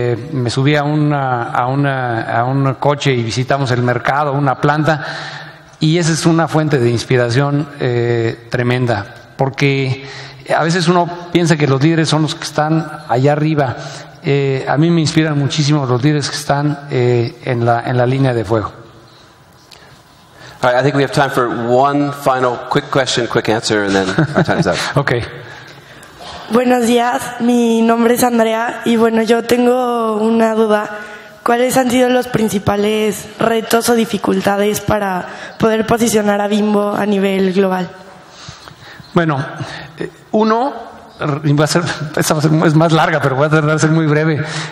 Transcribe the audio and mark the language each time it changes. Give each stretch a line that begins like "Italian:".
Spanish: me subí a un coche y visitamos el mercado, una planta, y esa es una fuente de inspiración tremenda, porque a veces uno piensa que los líderes son los que están allá arriba. A mí me inspiran muchísimo los líderes que están en la línea de fuego.
English: All right, I think we have time for one final quick question, quick answer, and then our time's up. Okay.
Spanish: Buenos días. Mi nombre es Andrea, y bueno, yo tengo una duda. ¿Cuáles han sido los principales retos o dificultades para poder posicionar a Bimbo a nivel global? Bueno, uno, es más larga, pero voy a tratar de ser muy breve.